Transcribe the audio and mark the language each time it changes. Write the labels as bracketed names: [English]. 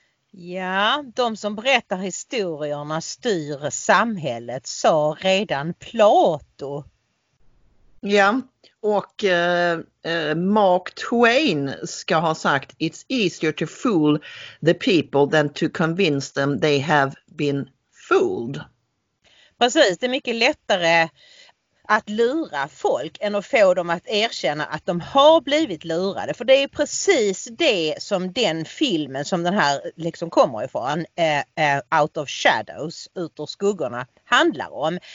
[Swedish] Ja, de som berättar historierna styr samhället, sa redan Plato. Ja, och Mark Twain ska ha sagt [English] it's easier to fool the people than to convince them they have been fooled. [Swedish] Precis, det är mycket lättare att lura folk än att få dem att erkänna att de har blivit lurade. För det är precis det som den filmen som den här liksom kommer ifrån, Out of Shadows, ut ur skuggorna, handlar om.